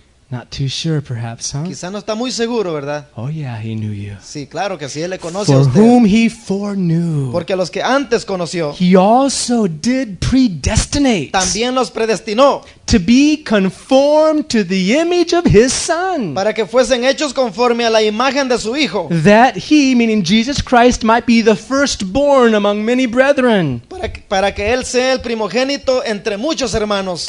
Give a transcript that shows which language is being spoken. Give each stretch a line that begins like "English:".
English: Not too sure, perhaps, huh?
Spanish: Quizá no está muy seguro, ¿verdad?
English: Oh yeah, he knew you.
Spanish: Sí, claro que sí, él le conoce
English: for
Spanish: a usted.
English: Whom he foreknew.
Spanish: Porque a los que antes conoció.
English: He also did predestinate.
Spanish: También los predestinó.
English: To be conformed to the image of his son.
Spanish: Para que fuesen hechos conforme a la imagen de su hijo.
English: That he, meaning Jesus Christ, might be the firstborn among many brethren.
Spanish: Para que él sea el primogénito entre muchos hermanos.